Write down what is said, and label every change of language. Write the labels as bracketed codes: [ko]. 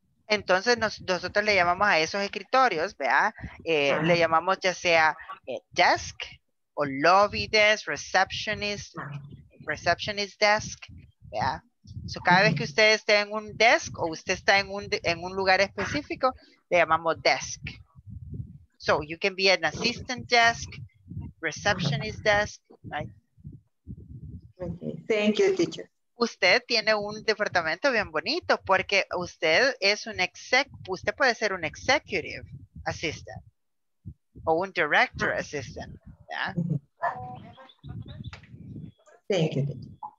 [es] Entonces nosotros le llamamos a esos escritorios, ¿verdad? Le llamamos ya sea desk o lobby desk, receptionist desk, ¿verdad? So, cada vez que usted esté en un desk o usted está en un lugar específico, le llamamos desk. [en] So you can be an assistant desk, receptionist desk, right? Okay. Thank you, teacher. [es] Usted tiene un departamento bien bonito porque usted es un usted puede ser un executive assistant o un director assistant, ¿verdad? [en] Thank you.